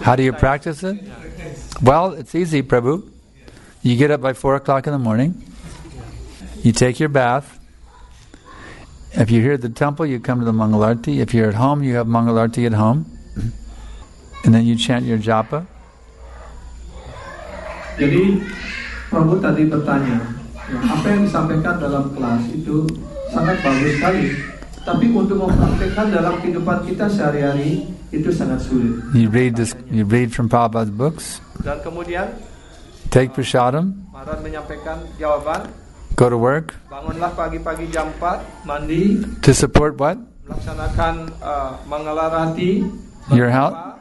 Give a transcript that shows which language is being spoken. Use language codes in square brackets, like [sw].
[en] How do you practice it? Well, it's easy, Prabhu. You get up by 4 o'clock in the morning. You take your bath. If you're here at the temple, you come to the Mangalarti. If you're at home, you have Mangalarti at home. And then you chant your japa. [id] Jadi, Prabhu tadi bertanya, apa yang disampaikan dalam kelas itu sangat bagus sekali. Tapi untuk mempraktikkan dalam kehidupan kita sehari-hari, Itu sangat sulit. [en] You read from Prabhupada's books. [id] Dan kemudian, [en] take prasadam. [id] Maharaj menyampaikan jawaban. [en] Go to work. [id] Bangunlah pagi-pagi jam 4, mandi. [en] To support what? [id] Melaksanakan mangalarati. [en] Your health.